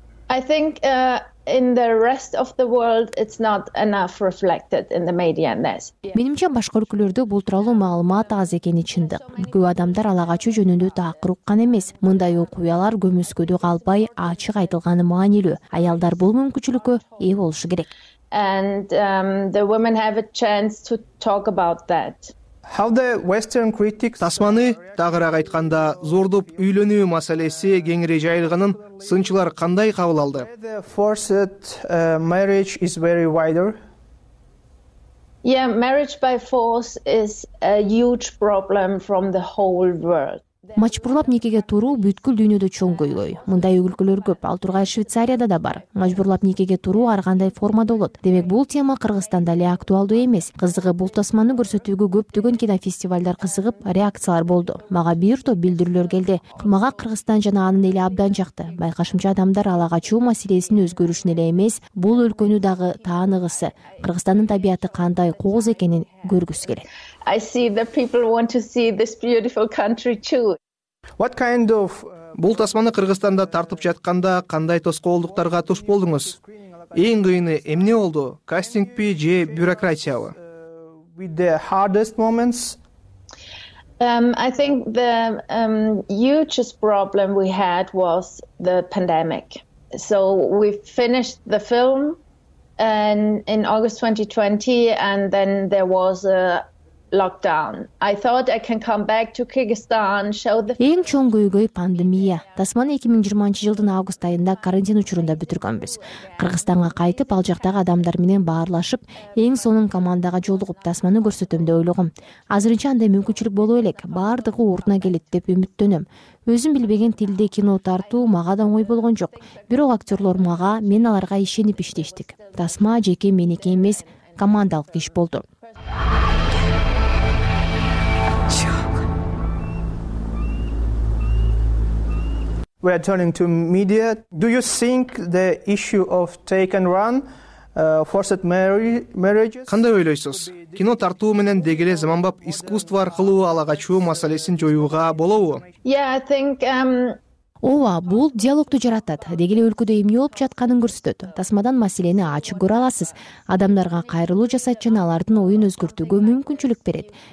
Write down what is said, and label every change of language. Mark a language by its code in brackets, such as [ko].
[en] I think in the rest of the world it's not enough reflected in the media and this. [ky] Менимче башка өлкөлөрдө бул тууралуу маалымат аз экени чындык. Көп адамдар ала качуу жөнүндө такыр уккан эмес. Мындай окуялар көмүскөдө калбай ачык айтылганы маанилүү. Аялдар бул мүмкүнчүлүккө ээ болушу керек. [en] And the women have a chance to talk about that. How the Western critics [ky] Тасманы тагыраак айтканда зордуп үйлөнүү маселеси кеңири жайылганын сынчылар кандай кабыл алды? [en] Forced marriage is very wider. Yeah, marriage by force is a huge problem from the whole world. [ky] Мажбурлап никеге туруу бүткүл дүйнөдө чоң көйгөй. Мындай өлкөлөр көп, ал тургай Швейцарияда да бар. Мажбурлап никеге туруу ар кандай формада болот. Демек бул тема Кыргызстанда эле актуалдуу эмес. Кызыгы бул тасманы көрсөтүүгө көптөгөн кинофестивалдар кызыгып, реакциялар болду. Мага бир топ билдирүүлөр келди. Мага Кыргызстан жана анын эли абдан жакты. Байкашымча адамдар ала качуу маселесинин өзгөрүшүн эле эмес, бул өлкөнү дагы тааныгысы, Кыргызстандын табияты кандай кооз экенин көргүсү келет. [en] I see the people want to see this beautiful country too. What kind of [ky] бул тасманы Кыргызстанда тартып жатканда кандай тоскоолдуктарга туш болдуңуз? Эң кыйыны эмне болду? Кастингпи же бюрократиябы? [en] With the hardest moments. I think the hugest problem we had was the pandemic. So we finished the film and in August 2020 and then there was a lockdown. I thought I can come back to Kyrgyzstan, show the [ky] Эң чоң көйгөй пандемия. Тасманы 2020 жылдын август айында карантин учурунда бүтүргөнбүз. Кыргызстанга кайтып, ал жактагы адамдар менен баарлашып, эң сонун командага жолугуп, тасманы көрсөтөм деп ойлогом. Азырынча андай мүмкүнчүлүк боло элек. Бардыгы ордуна келет деп үмүттөнөм. Өзүм билбеген тилде кино тартуу мага да оңой болгон жок. Бирок актёрлор мага, мен аларга ишенип иштештик. Тасма жеке меники эмес, командалык иш болду. [en] We are turning to media. Do you think the issue of take and run, forced marriages... [ky] Кандай ойлойсуз? Кино тартуу менен дегеле заманбап искусство аркылуу ала качуу маселесин жоюуга болобу? [en] Yeah, I think... [ky] Ооба, бул диалогду жаратат. Дегеле өлкөдө эмне болуп жатканын көрсөтөт. Тасмадан маселени ачык көрө аласыз. Адамдарга кайрылуу жасайт жана алардын оюн өзгөртүүгө мүмкүнчүлүк берет.